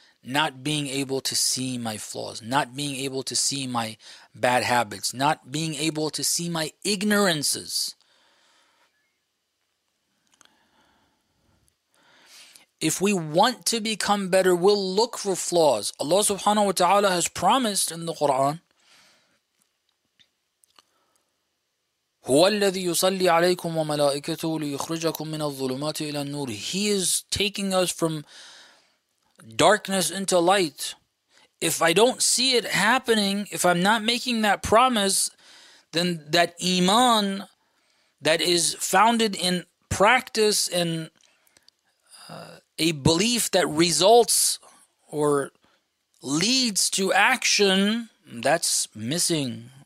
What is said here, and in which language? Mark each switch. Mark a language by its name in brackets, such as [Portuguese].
[English] Not being able to see my flaws, not being able to see my bad habits, not being able to see my ignorances. If we want to become better, we'll look for flaws. Allah subhanahu wa ta'ala has promised in the Quran, [Arabic] هُوَ الَّذِي يُصَلِّي عَلَيْكُمْ وَمَلَائِكَتُهُ لِيُخْرِجَكُمْ مِنَ الظُّلُمَاتِ إِلَى النُّورِ. [English] He is taking us from darkness into light. If I don't see it happening, if I'm not making that promise, then that iman that is founded in practice and a belief that results or leads to action, that's missing.